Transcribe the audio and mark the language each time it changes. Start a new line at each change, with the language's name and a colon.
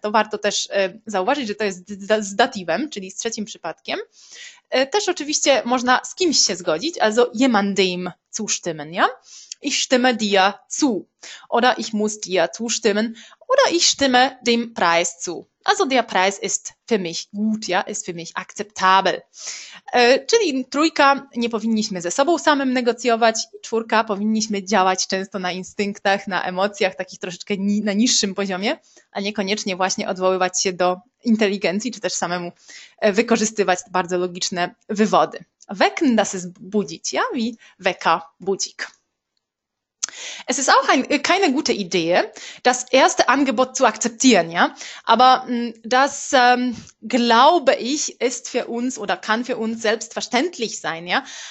Polish: To warto też zauważyć, że to jest z datywem, czyli z trzecim przypadkiem. Też oczywiście można z kimś się zgodzić,
German: also jemandem zustimmen, ja. Ich stimme dir zu. Oder ich muss dir zustimmen. Oder ich stimme dem Preis zu. Also der Preis ist für mich gut, ja, ist für mich akzeptabel.
Polish: Czyli trójka, nie powinniśmy ze sobą samym negocjować. Czwórka, powinniśmy działać często na instynktach, na emocjach, takich troszeczkę ni na niższym poziomie, a niekoniecznie właśnie odwoływać się do inteligencji, czy też samemu wykorzystywać bardzo logiczne wywody.
German: Wecken, das ist budzić, ja, wie Wecker, budzik. Es ist auch keine gute Idee, das erste Angebot zu akzeptieren, ja. Aber das, glaube ich, ist für uns oder kann für uns selbstverständlich sein, ja.